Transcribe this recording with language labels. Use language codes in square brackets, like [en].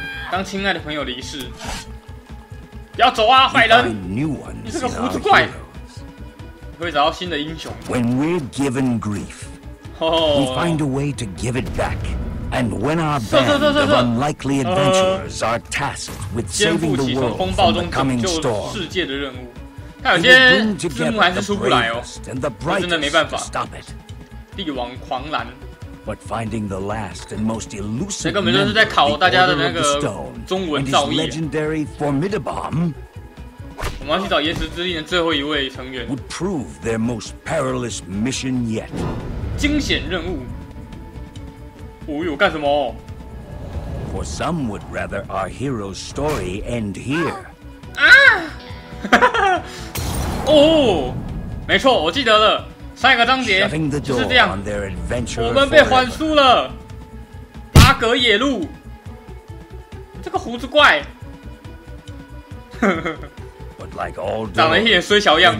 [zh] 当亲爱的朋友离世，不要走啊坏人，你是个胡子怪，你会找到新的英雄。 [en] When we're given griefWe find a way to give it back, and when our band of unlikely adventurers are tasked with saving the world from the coming storm, [zh] 世界的任务，它有些字幕还是出不来哦，真的没办法。 [en] Stop it, [zh] 帝王狂澜。 [en] But finding the last and most elusive, [zh] 这根本就是在考大家的那个中文造诣。 Legendary Formidabomb, 我们要去找岩石之印的最后一位成员。 [en] Would prove their most perilous mission yet. [zh] 惊险任务，哦呦，干什么？ [en] For some would rather our hero's story end here. 啊！ [zh] 哦，没错，我记得了，上一个章节就是这样。我们被缓速了，八格野鹿，这个胡子怪，长了一点衰小样。